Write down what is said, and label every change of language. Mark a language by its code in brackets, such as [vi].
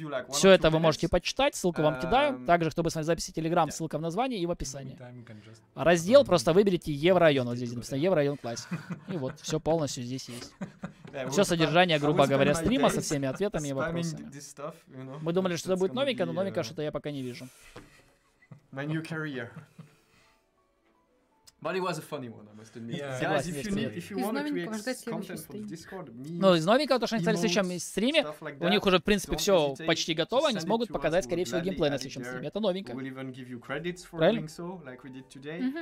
[ru] Все это вы можете почитать, ссылку вам кидаю. Также, чтобы смотреть записи Telegram, ссылка в названии и в описании. Раздел, просто выберите Еврорайон, вот здесь написано Еврорайон Классик. И вот, все полностью здесь есть. Все содержание, грубо говоря, стрима со всеми ответами и вопросами. Мы думали, что это будет новенько, но новенько что-то я пока не вижу. [en] But it was a funny one, I must admit. Yeah. Guys, if you want to create content for the Discord, [ru] ну, из новенького, то, что они стали следующим стриме, у них уже, в принципе, все почти готово, они смогут показать, скорее всего, геймплей на следующем стриме. Это новенько. [en] We'll even give you credits for doing so, like we did today.